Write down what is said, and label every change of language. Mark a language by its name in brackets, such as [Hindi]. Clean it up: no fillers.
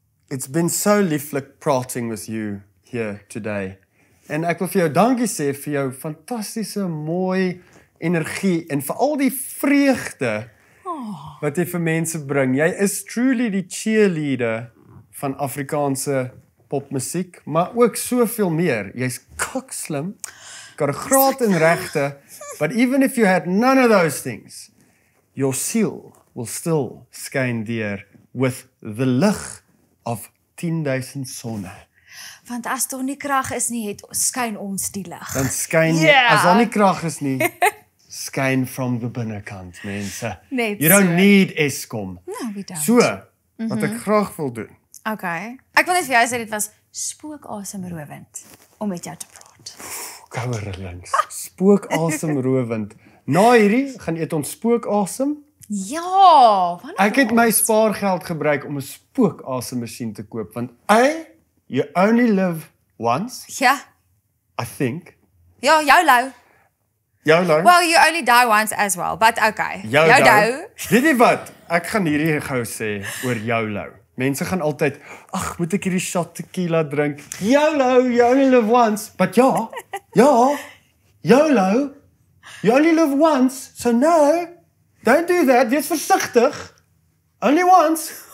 [English] It's been so lovely praating with you here today. [Afrikaans] En ek wil vir jou dankie sê vir jou fantastiese mooi energie en vir al die vreugde wat jy vir mense bring. Jy is truly die cheerleader van Afrikaanse popmusiek, maar ook soveel meer. Jy's kak slim, kan graad en regte, [English] but even if you had none of those things, your soul will still skyn dear with the lig of 10,000 sonne. [Afrikaans] Want as daar nie krag is nie, het skyn ons die lig. Dan skyn jy, yeah. As daar nie krag is nie, skyn from the binnenkant, mense. Net [English] you don't need Eskom. No, we don't. [Afrikaans] So, wat ek graag wil doen. Okay. Ek wil net vir jou sê, dit was spookasemrowend om met jou te praat. Kouwer links. Spookasemrowend. Na hierdie, gaan eet ons spookasem. Ja, wanneer ek het my spaargeld gebruik om 'n spookasemmasjien te koop, want [English] you only live once. [Afrikaans] Ja. [English] I think. [Afrikaans] Ja, YOLO. [English] YOLO. Well, you only die once as well, but okay. [Afrikaans] YOLO. Weet jy wat? Ek gaan hierdie gou sê oor YOLO. Mense gaan altyd, ag, moet ek hierdie shot tequila drink? [English] YOLO, you only live once. But ja, ja, YOLO, you only live once. So no, don't do that. [Afrikaans] Wees versigtig. [English] Only once.